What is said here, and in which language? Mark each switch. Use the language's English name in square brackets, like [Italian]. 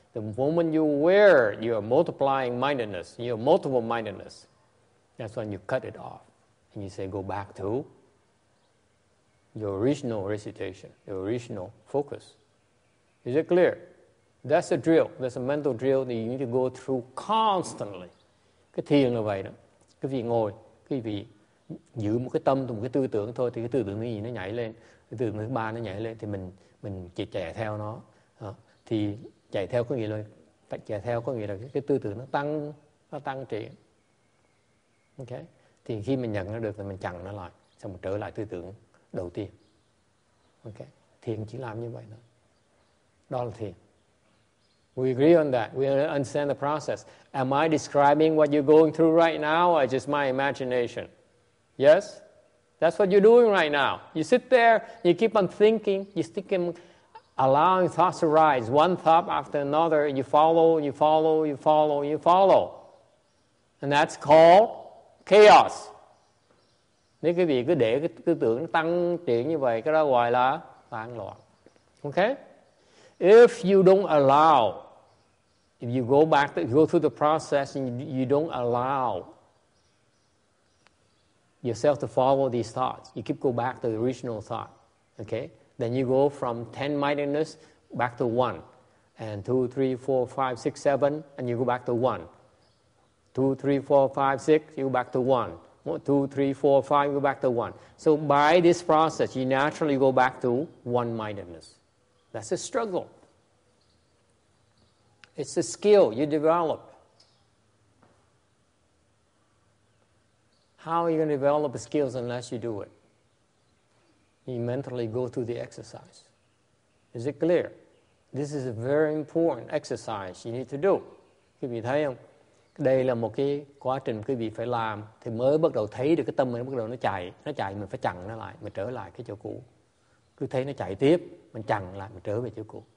[English] The moment you're aware, you're multiplying mindedness, you're multiple mindedness. That's when you cut it off. And you say, go back to your original recitation, your original focus. Is it clear? That's a drill. That's a mental drill that you need to go through constantly. [Vietnamese] Cái thiền là vậy đó. Cái vị ngồi, cái vị giữ một cái tâm, một cái tư tưởng thôi, thì cái tư tưởng thứ gì nó nhảy lên, cái tư tưởng thứ ba nó nhảy lên, thì mình chỉ chạy theo nó. À, thì chạy theo có nghĩa là chạy theo có nghĩa là cái tư tưởng nó tăng triển. Ok. Thì khi mình nhận nó được thì mình chặn nó lại, xong mình trở lại tư tưởng đầu tiên. Ok. Thiền chỉ làm như vậy thôi. Đó là thiền. [English] We agree on that. We understand the process. Am I describing what you're going through right now or just my imagination? Yes? That's what you're doing right now. You sit there, you keep on thinking, you stick in allowing thoughts to rise, one thought after another, and you follow. And that's called chaos. [Vietnamese] Nếu quý vị cứ để cái tưởng tăng triển như vậy, cái đó gọi là tan loạn. [English] Okay? If you don't allow, if you go back, go through the process and you don't allow yourself to follow these thoughts, you keep go back to the original thought, okay? Then you go from 10 mindedness back to 1, and 2, 3, 4, 5, 6, 7, and you go back to 1. 2, 3, 4, 5, 6, you go back to 1. 2, 3, 4, 5, you go back to 1. So by this process, you naturally go back to 1 mindedness. That's a struggle. It's a skill you develop. How are you going to develop skills unless you do it? You mentally go through the exercise. Is it clear? This is a very important exercise you need to do. [Vietnamese] Quý vị thấy không? Đây là một cái quá trình quý vị phải làm thì mới bắt đầu thấy được cái tâm mình bắt đầu nó chạy mình phải chặn nó lại, mình trở lại cái chỗ cũ. Cứ thấy nó chạy tiếp, mình chặn lại, mình trở về chỗ cũ.